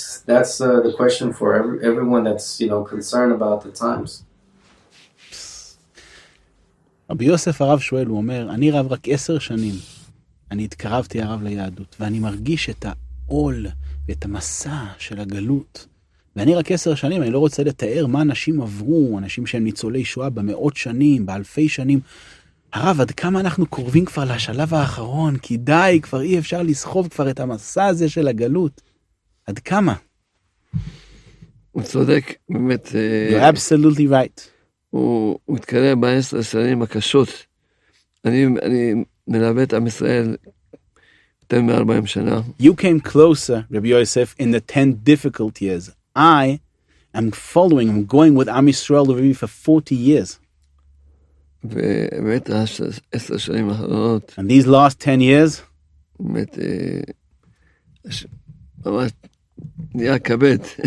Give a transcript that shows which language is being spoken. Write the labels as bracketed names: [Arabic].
[English] That's the question for everyone that's, you know, concerned about the times. [Hebrew] רבי יוסף הרב שואל, הוא אומר, אני רב רק 10 שנים, אני התקרבתי הרב ליהדות, ואני מרגיש את העול ואת המסע של הגלות. ואני רק 10 שנים, אני לא רוצה לתאר מה אנשים עברו, אנשים שהם ניצולי שואה במאות שנים, באלפי שנים. הרב, עד כמה אנחנו קורבים כבר לשלב האחרון? כי די, כבר אי אפשר לסחוב כבר את המסע הזה של הגלות. עד כמה? הוא צודק, באמת. [English] You're absolutely right. [Hebrew] הוא התקרב בעשר השנים הקשות. אני מלווה את עם ישראל יותר מ-40 שנה. [English] You came closer, רבי יוסף, in the 10 difficult years. I am following, I'm going with עם ישראל with me for 40 years. [Hebrew] ובאמת, 10 שנים האחרונות. [English] And these last 10 years? [Hebrew] באמת, ממש נהיה כבד.